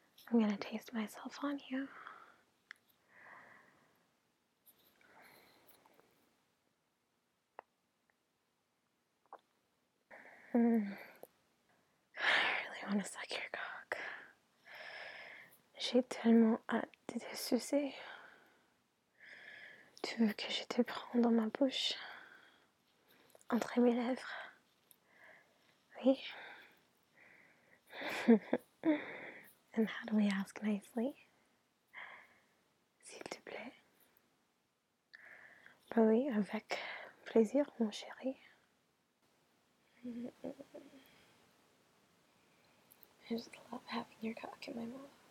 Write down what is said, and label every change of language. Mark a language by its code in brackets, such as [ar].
[en] I'm gonna taste myself on you. I really want to suck your cock. [fr] J'ai tellement hâte de te sucer. Tu veux que je te prenne dans ma bouche, entre mes lèvres? Oui. [en] And how do we ask nicely? [fr] S'il te plaît. Bah oui, avec plaisir, mon chéri. [en] I just love having your cock in my mouth.